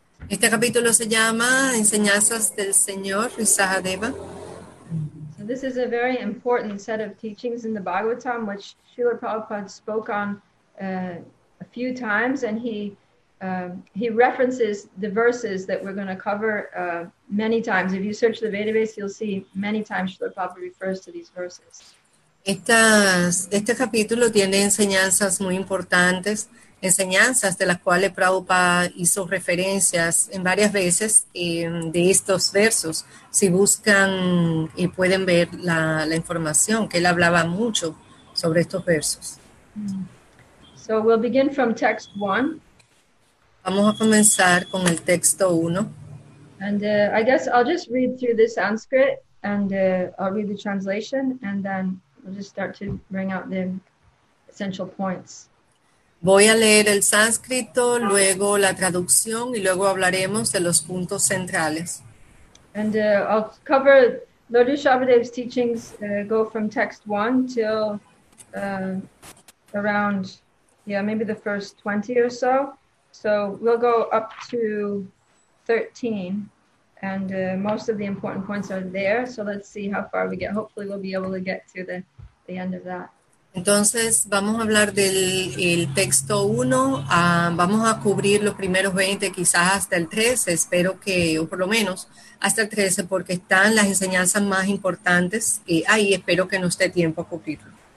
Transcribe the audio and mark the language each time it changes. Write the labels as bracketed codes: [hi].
[es] Este capítulo se llama Enseñanzas del Señor Rishabhadeva. [en] So this is a very important set of teachings in the Bhagavatam, which Srila Prabhupada spoke on a few times, and he references the verses that we're going to cover many times. If you search the Vedabase, you'll see many times Srila Prabhupada refers to these verses. [es] Este capítulo tiene enseñanzas muy importantes, enseñanzas de las cuales Prabhupada hizo referencias en varias veces de estos versos. Si buscan y pueden ver la información, que él hablaba mucho sobre estos versos. [en] So we'll begin from text one. [es] Vamos a comenzar con el texto 1. [en] And I guess I'll just read through the Sanskrit and I'll read the translation and then we'll just start to bring out the essential points. [es] Voy a leer el sánscrito, luego la traducción y luego hablaremos de los puntos centrales. [en] And I'll cover Lord Rishabhadev's teachings, go from text one till around. Yeah, maybe the first 20 or so. So we'll go up to 13, and most of the important points are there. So let's see how far we get. Hopefully, we'll be able to get to the end of that. [es] Entonces, vamos a hablar del texto 1, vamos a cubrir los primeros 20, quizás hasta el 13, espero que, o por lo menos hasta el 13, porque están las enseñanzas más importantes y ahí espero que nos dé tiempo a cubrirlo.